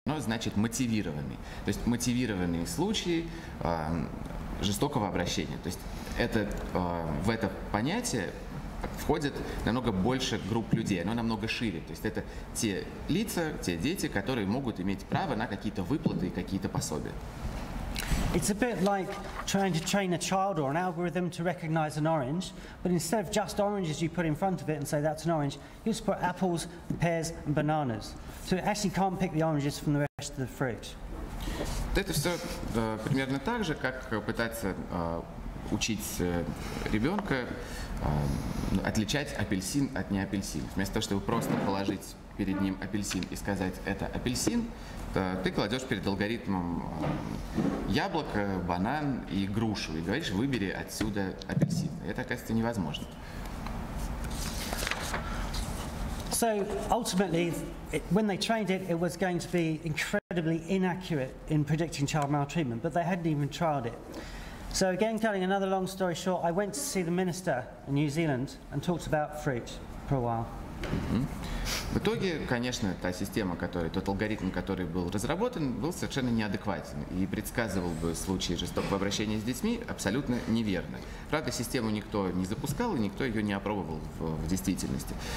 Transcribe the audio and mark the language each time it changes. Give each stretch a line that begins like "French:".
Russian: Оно значит мотивированный. То есть мотивированные случаи жестокого обращения. То есть в это понятие входит намного больше групп людей, оно намного шире. То есть это те лица, те дети, которые могут иметь право на какие-то выплаты и какие-то пособия.
English: It's a bit like trying to train a child or an algorithm to recognize an orange, but instead of just oranges you put in front of it and say that's an orange, you just put apples, pears and bananas. So it actually can't pick the oranges from the rest of the fruit.
Russian: Это все примерно так же, как пытаться учить ребенка отличать апельсин от неапельсина. Вместо того, чтобы просто положить перед ним апельсин и сказать «это апельсин», то ты кладешь перед алгоритмом яблоко, банан и грушу и говоришь «выбери отсюда апельсин». И это, оказывается, невозможно.
English: So ultimately, when they trained it, it was going to be incredibly inaccurate in predicting child maltreatment, but they hadn't even trialed it. So again, cutting another long story short, I went to see the minister in New Zealand and talked about fruit for a while. Mm-hmm.
Russian: В итоге, конечно, та система, тот алгоритм, который был разработан, был совершенно неадекватен и предсказывал бы случаи жестокого обращения с детьми абсолютно неверно. Правда, систему никто не запускал и никто ее не опробовал в действительности.